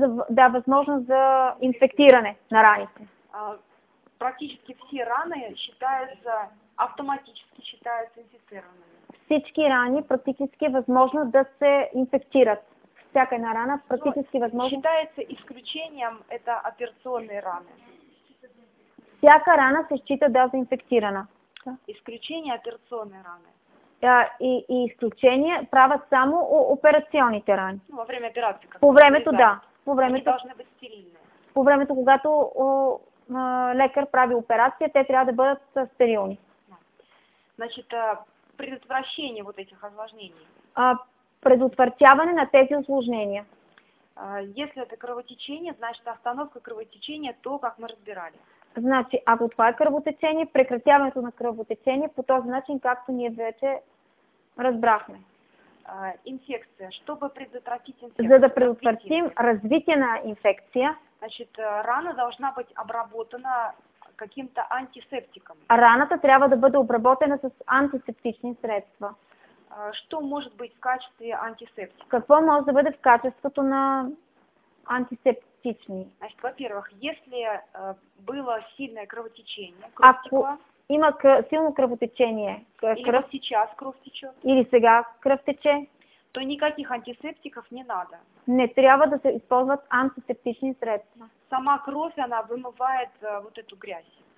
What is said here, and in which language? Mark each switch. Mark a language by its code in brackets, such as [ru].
[bg] Да, възможност за инфектиране на раните. [ru] Практически все раны считаются автоматически считаются инфицированными. [bg] Всички рани практически възможно да се инфектират. Всяка една рана практически възможно. [ru] Считается исключением это операционные раны. [bg] Всяка рана се счита да за инфектирана. [ru] Исключение операционные раны. [bg] И изключение правят само операционните рани. [ru] Ну, во время операции. [bg] По времето, да. По времето. [ru] Они должны быть стерильны. [bg] По времето, когато лекар прави операция, те трябва да бъдат стерилни. [ru] Значит, предотвращение вот этих осложнений. [bg] Предотвратяване на тези осложнения. [ru] Если это кровотечение, значит, остановка кровотечения, то, как мы разбирали. [bg] Значи, ако това е кръвотечение, прекратяването на кръвотечение по този начин, както ние вече разбрахме. [ru] Инфекция. Чтобы предотвратить инфекцию. [bg] За да предотвратим развитие на инфекция. [ru] Значит, рана должна быть обработана каким-то антисептиком. [bg] Раната трябва да бъде обработена с антисептични средства. [ru] Что может быть в качестве антисептика? [bg] Какво може да бъде в качеството на антисептични? [ru] Значит, во-первых, если было сильное кровотечение, [bg] има силно кръвотечение, кръв, или [ru] сейчас [bg] кръв тече, или сега кръв тече, [ru] то никаких антисептиков не надо. [bg] Не трябва да се използват антисептични средства. Сама кръв, [ru] она вымывает вот эту грязь.